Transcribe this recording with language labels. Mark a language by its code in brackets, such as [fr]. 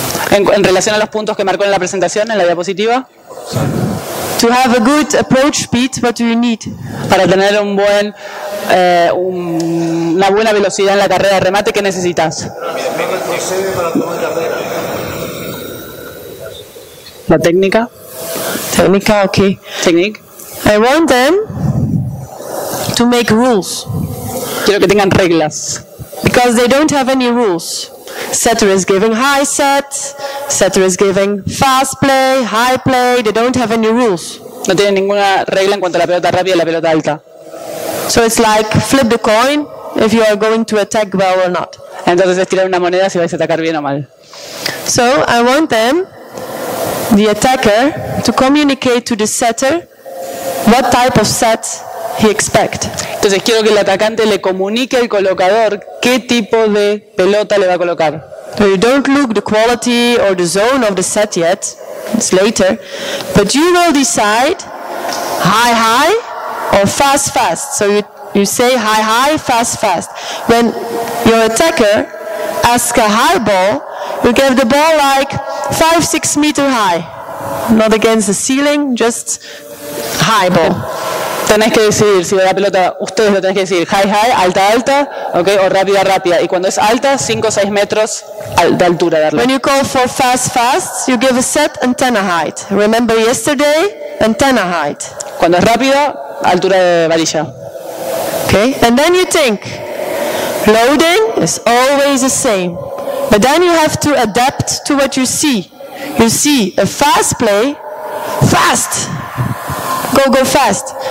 [es] En relación a los puntos que marcó en la presentación, en la diapositiva. [en] To have a good approach speed, what do you need? [es] Para tener un buen, una buena velocidad en la carrera de remate, ¿qué necesitas? La técnica. Técnica, ok. [en] Technique. I want them to make rules. [es] Quiero que tengan reglas. [en] Because they don't have any rules. Setter is giving high set. Setter is giving fast play, high play. They don't have any rules. [es] No tienen ninguna regla en cuanto a la pelota rápida y la pelota alta. [en] So it's like flip the coin if you are going to attack well or not. [es] Entonces es tirar una moneda si vais a atacar bien o mal. [en] So I want them, the attacker, to communicate to the setter what type of set he expect. [es] Entonces quiero que el atacante le comunique al colocador qué tipo de pelota le va a colocar. [en] So you don't look the quality or the zone of the set yet. It's later. But you will decide high high or fast fast. So you say high high, fast fast. When your attacker asks a high ball, you give the ball like 5-6 meter high. Not against the ceiling, just high ball. [es] Tenés que decidir si la pelota, ustedes lo tenés que decir, [en] high, high, [es] alta, alta, okay, o rápida, rápida. Y cuando es alta, 5 o 6 metros de altura darle. [en] When you call for fast, fast, you give a set antenna height. Remember yesterday, antenna height. [es] Cuando es rápida, altura de varilla. [en] Okay, and then you think, loading is always the same. But then you have to adapt to what you see. You see a fast play, fast. Go, go fast.